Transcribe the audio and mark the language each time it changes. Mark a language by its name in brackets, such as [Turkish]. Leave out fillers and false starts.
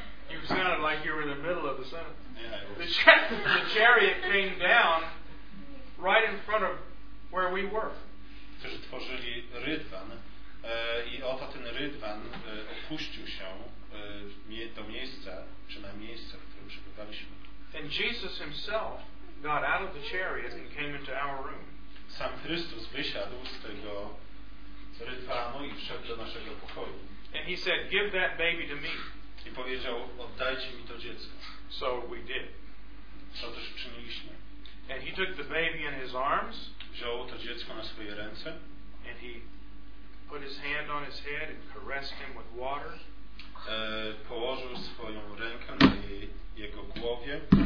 [English] you sounded like you were in the middle of the sentence. The chariot came down right in front of where we were. [Polish] Którzy tworzyli rydwan i oto ten rydwan opuścił się do miejsca, czy na miejsce, w którym przebywaliśmy. [English] And Jesus himself got out of the chariot and came into our room. [Polish] Sam Chrystus wysiadł z tego rydwanu i wszedł do naszego pokoju. [English] And he said, "Give that baby to me." [Polish] I powiedział, oddajcie mi to dziecko. [English] So we did. [Polish] Co też czyniliśmy. [English] And he took the baby in his arms. [Polish] Wziął to dziecko na swoje ręce. [English] And he put his hand on his head and caressed him with water. [Polish] Położył swoją rękę na jego głowie.